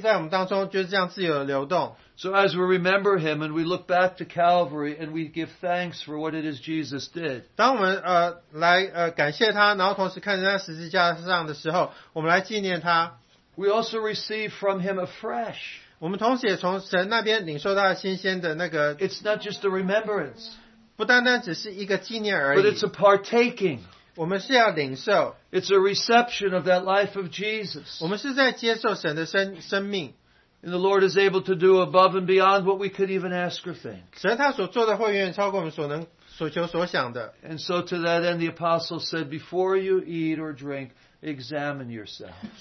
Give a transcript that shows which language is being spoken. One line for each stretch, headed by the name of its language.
Chinese: 因为神要让他那个复活的身体可以在我们当中就是这样自由流动。
English: So as we remember Him and we look back to Calvary and we give thanks for what it is Jesus did.
Chinese: 当我们来感谢他，然后同时看在十字架上的时候，我们来纪念他。
English: We also receive from Him afresh.
Chinese: 我们同时也从神那边领受到新鲜的那个。
English: It's not just a remembrance.
Chinese: 不单单只是一个纪念而已。
English: But it's a partaking.
Chinese: 我们是要领受。
English: It's a reception of that life of Jesus.
Chinese: 我们是在接受神的生命。
English: And the Lord is able to do above and beyond what we could even ask or think.
Chinese: 神他所做的会远远超过我们所能所求所想的。
English: And so to that end, the apostle said, "Before you eat or drink, examine yourself."